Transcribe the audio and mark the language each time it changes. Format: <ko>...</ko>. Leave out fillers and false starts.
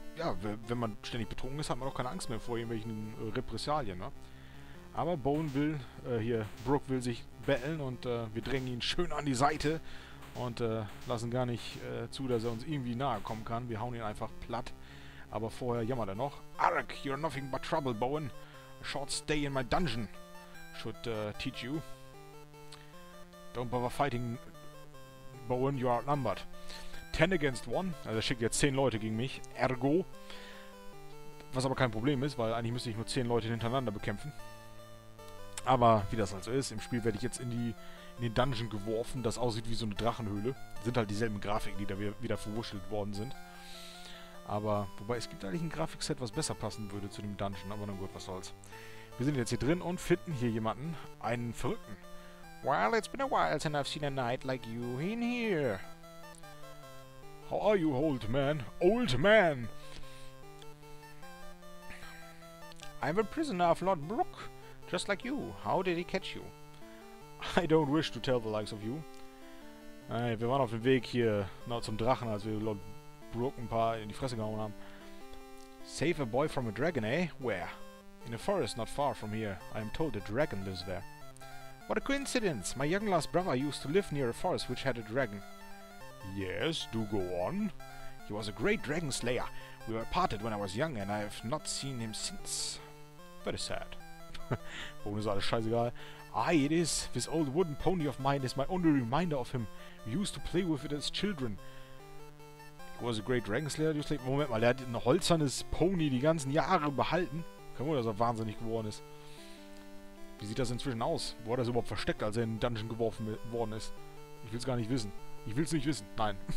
<de>Ja, wenn man ständig betrunken ist, hat man auch keine Angst mehr vor irgendwelchen Repressalien, ne? Aber Bowen will, hier, Brook will sich battlen und wir drängen ihn schön an die Seite und lassen gar nicht zu, dass er uns irgendwie nahe kommen kann. Wir hauen ihn einfach platt. Aber vorher jammert er noch.</de> <en>Arg, you're nothing but trouble, Bowen. A short stay in my dungeon should teach you. Don't bother fighting, Bowen, you are outnumbered. 10 against 1.</en> <de>Also er schickt jetzt 10 Leute gegen mich. Ergo. Was aber kein Problem ist, weil eigentlich müsste ich nur 10 Leute hintereinander bekämpfen. Aber wie das also ist, im Spiel werde ich jetzt in den Dungeon geworfen, das aussieht wie so eine Drachenhöhle. Sind halt dieselben Grafiken, die da wieder verwurschtelt worden sind. Aber, wobei, es gibt eigentlich ein Grafikset, was besser passen würde zu dem Dungeon. Aber nun gut, was soll's. Wir sind jetzt hier drin und finden hier jemanden. Einen Verrückten.</de> <en>Well, it's been a while since I've seen a knight like you in here. How are you, old man? Old man! I'm a prisoner of Lord Brook, just like you. How did he catch you? I don't wish to tell the likes of you.</en> <de>Hey, wir waren auf dem Weg hier noch zum Drachen, als wir Lord Brook ein paar in die Fresse gehauen haben.</de> <en>Save a boy from a dragon, eh? Where? In a forest not far from here. I am told a dragon lives there. What a coincidence! My young last brother used to live near a forest which had a dragon. Yes, do go on. He was a great dragon slayer. We were parted when I was young and I have not seen him since. Very sad.</en> <de>Bowen ist alles scheißegal.</de> <en>Aye, it is. This old wooden pony of mine is my only reminder of him. We used to play with it as children. He was a great dragon slayer.</en> <de>Moment mal, der hat ein holzernes Pony die ganzen Jahre behalten. Kann wohl, dass er wahnsinnig geworden ist. Wie sieht das inzwischen aus? Wo hat er es überhaupt versteckt, als er in den Dungeon geworfen worden ist? Ich will es gar nicht wissen. Ich will es nicht wissen. Nein.</de>